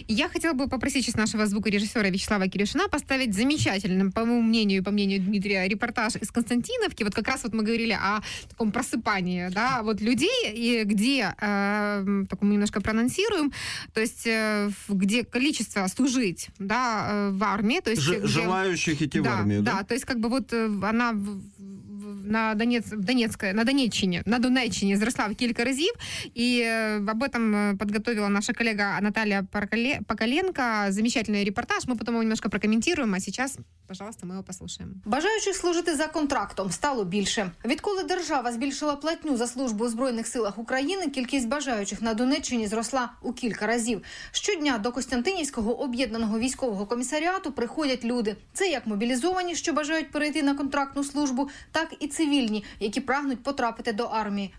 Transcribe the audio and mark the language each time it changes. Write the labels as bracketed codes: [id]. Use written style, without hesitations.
[uk] Я хотіла би попросити з нашого звукорежисера В'ячеслава Кирюшина поставити замечательним, по моєму мненню, по мненню Дмитрія, репортаж із Константиновки. От якраз от ми говорили о такому просипанні, да, от людей, і де, так ми немножко проанонсируємо, тобто, де кількість служить, да, в армії. [ru] То есть, желающих идти, да, в армию, да? Да, то есть как бы вот она на Донецкой, на Донеччине, на Донеччине [uk] зросла в кілька разів, [ru] і об этом подготовила наша коллега Наталья Поколенко замечательный репортаж. Мы потом его немножко прокомментируем, а сейчас, пожалуйста, мы его послушаем. [uk] Бажаючих служити за контрактом стало більше. Відколи держава збільшила платню за службу у Збройних силах України, кількість бажаючих на Донеччині зросла у кілька разів. Щодня до Костянтинівського об'єднаного військового комісаріату приходять люди. Це як мобілізовані, що бажають перейти на контрактну службу, так і цивільні, які прагнуть потрапити до армії.